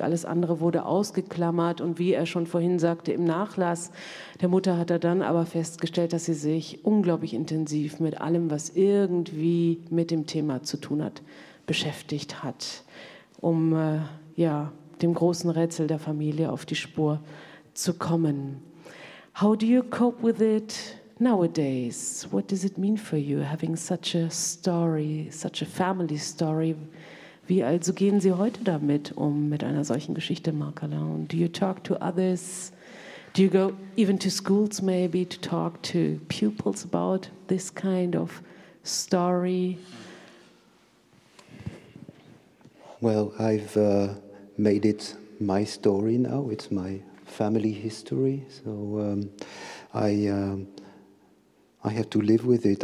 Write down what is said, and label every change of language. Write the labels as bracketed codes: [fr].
[de] Alles andere wurde ausgeklammert. Und wie er schon vorhin sagte, im Nachlass der Mutter hat er dann aber festgestellt, dass sie sich unglaublich intensiv mit allem, was irgendwie mit dem Thema zu tun hat, beschäftigt hat, um ja, dem großen Rätsel der Familie auf die Spur zu kommen. [en] How do you cope with it nowadays? What does it mean for you, having such a story, such a family story? [de] Wie also gehen Sie heute damit um, mit einer solchen Geschichte, Marc Alain? [en] Do you talk to others? Do you go even to schools maybe to talk to pupils about this kind of story? Well, I've made it my story now. It's my family history, so I have to live with it.